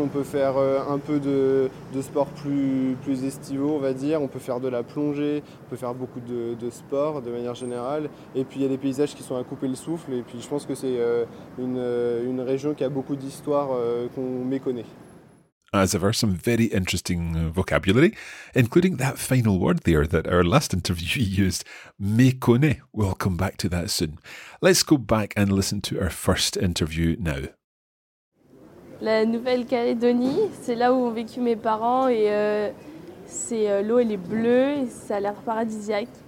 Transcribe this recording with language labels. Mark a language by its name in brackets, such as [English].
[French] On peut faire un peu de sport plus estivaux, on va dire. On peut faire de la plongée, on peut faire beaucoup de sport de manière générale. Et puis, il y a des paysages qui sont à couper le souffle. Et puis, je pense que c'est une région qui a beaucoup d'histoires qu'on méconnaît. [English] As ever, some very interesting vocabulary, including that final word there that our last interviewee used, méconné. We'll come back to that soon. Let's go back and listen to our first interview now. [French] La Nouvelle-Calédonie, c'est là où ont vécu mes parents et c'est l'eau, elle est bleue et ça a l'air paradisiaque.